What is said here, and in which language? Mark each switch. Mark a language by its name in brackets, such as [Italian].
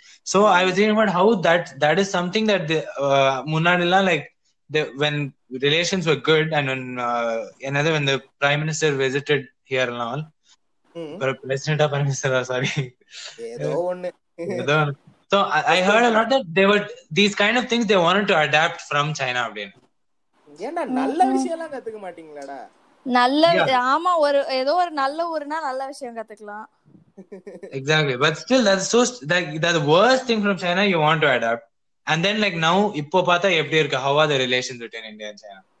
[English] So I was thinking about how that is something that the [Tamil] munnadilla [English] like the when relations were good and when the prime minister visited here and all [Tamil] பிரசிடண்டா prime மினிஸ்டரா sorry ஏதோ ஒண்ணு ஏதோ. [English] So I heard a lot that they were these kind of things they wanted to adapt from China [Tamil] அப்படி என்னடா நல்ல விஷயம் எல்லாம் கத்துக்க மாட்டீங்களாடா நல்ல. ஆமா ஒரு ஏதோ ஒரு நல்ல ஊர்னா நல்ல விஷயம் கத்துக்கலாம். [English] Exactly, but still that's so that the worst thing from China you want to adapt. And then like now [Tamil] ippo paatha eppadi irukku, [English] how are the relations between India and China?